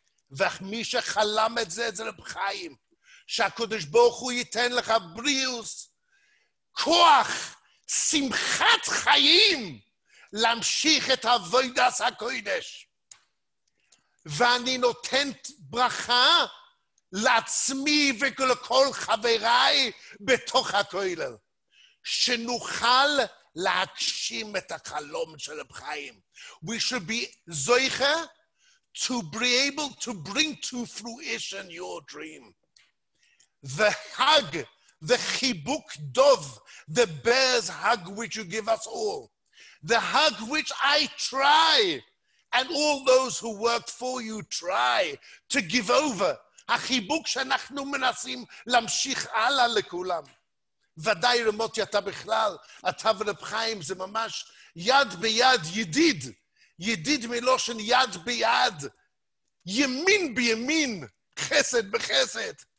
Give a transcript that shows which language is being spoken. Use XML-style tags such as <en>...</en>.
<he>ומי שחלם את זה, זה רב חיים. שהקדוש ברוך הוא ייתן לך בריאות, כוח, שמחת חיים, להמשיך את עבודת הקודש. ואני נותן ברכה לעצמי ולכל חבריי בתוך הכולל, שנוכל להגשים את החלום של רב חיים.</he> <en>We should be זוכה to be able to bring to fruition your dream. The hug, the chibuk dov, the bear's hug which you give us all, the hug which I try, and all those who work for you try to give over.</en> <he>החיבוק שאנחנו מנסים להמשיך הלאה לכולם. ודאי רמותי אתה בכלל, אתה ורב חיים זה ממש יד ביד ידיד, ידיד מלושן יד ביד, ימין בימין, חסד בחסד.</he>